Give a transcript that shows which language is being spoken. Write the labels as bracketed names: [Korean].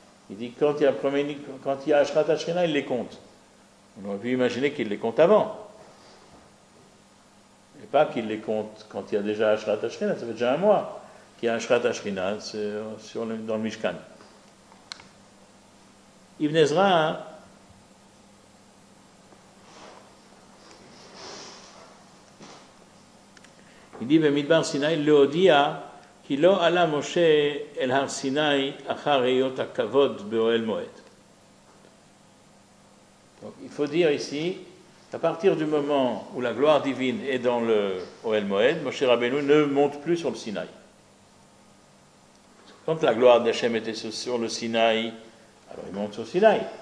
[French] Il dit quand il y a Hashrat Hashrina, il les compte. On aurait pu imaginer qu'il les compte avant. Et pas qu'il les compte quand il y a déjà Hashrat Hashrina, ça fait déjà un mois qu'il y a Hashrat Hashrina dans le Mishkan. [Hebrew] Ibn Ezra, [French] il dit [Hebrew] במדבר סיני להודיע כי לא עלה משה אל הר סיני אחר היות הכבוד באוהל מועד. [French] Donc il faut dire ici à partir du moment où la gloire divine est dans le Ohel Moed, Moshe Rabbeinu ne monte plus sur le Sinaï. Quand la gloire d'Hachem était sur le Sinaï, quand il monte sur Sinaï.